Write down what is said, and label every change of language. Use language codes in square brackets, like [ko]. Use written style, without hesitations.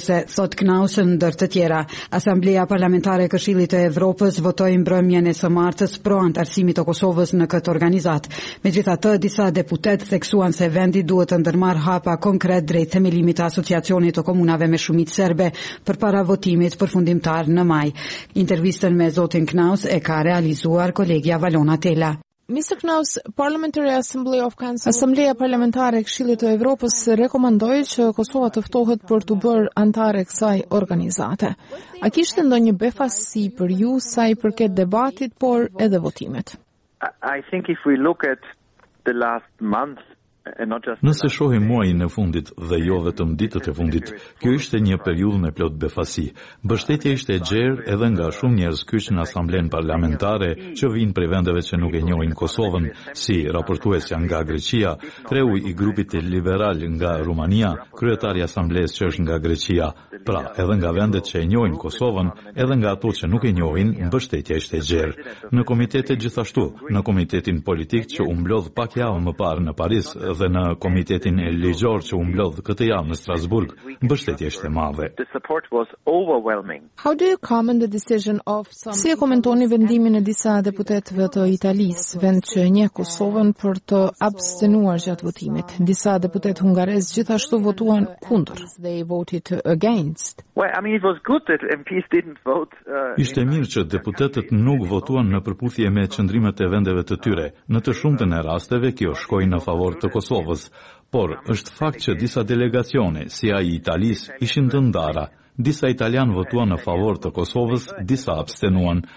[sq] Ose thot Knausën ndër të tjera. Asambleja Parlamentare e Këshillit të Evropës votoi mbrëmjen e së martës pro antarësimit të Kosovës në këtë organizat. Megjithatë, disa deputet theksuan se vendi duhet të ndërmarr hapa konkret drejt themelimit të Asociacionit të Komunave me Shumicë Serbe përpara votimit përfundimtar në maj. Intervistën me zotin Knaus e ka realizuar kolegja Valona Tela. [en] Mr. Knaus, Parliamentary Assembly of Council. [sq] Asambleja Parlamentare e Këshillit të Evropës rekomandoi që Kosova të ftohet për të bërë antare kësaj organizate. A kishte ndonjë befasësi për ju sa i përket debatit, por edhe votimit? [en] I think if we look at the last month, [sq] nëse shohim muajin e fundit dhe jo vetëm ditët e fundit, kjo ishte një periudhë me plot befasi. Mbështetja ishte e gjerë edhe nga shumë njerëz kyç në Asamblenë Parlamentare që vinë prej vendeve që nuk e njohin Kosovën, si raportuesja nga Greqia, kreu i grupit liberal nga Rumania, kryetari i asamblesë që është nga Greqia. Pra, edhe nga vendet që e njohin Kosovën, edhe nga ato që nuk e njohin, mbështetja ishte e gjerë. Në komitete gjithashtu, në komitetin politik që u mblodh pak javë më parë në Paris, dhe në komitetin e ligjor që u mblodh këtë javë në Strasburg, mbështetja ishte madhe. [en] How do you comment the decision of some... [sq] Si e komentoni vendimin e disa deputetëve të Italisë, vend që e njeh Kosovën, për të abstenuar gjatë votimit? Disa deputet hungarez gjithashtu votuan kundër. [en] They voted against. Well, I mean it was good that MPs didn't vote. [sq] Ishte mirë që deputetët nuk votuan në përputhje me qendrimet e vendeve të tyre. Në të shumtën e rasteve kjo shkoi në favor të Kosovës, por është fakt që disa delegacione, si ai i Italisë, ishin të ndara. Disa italian votuan në favor të Kosovës, disa abstenuan.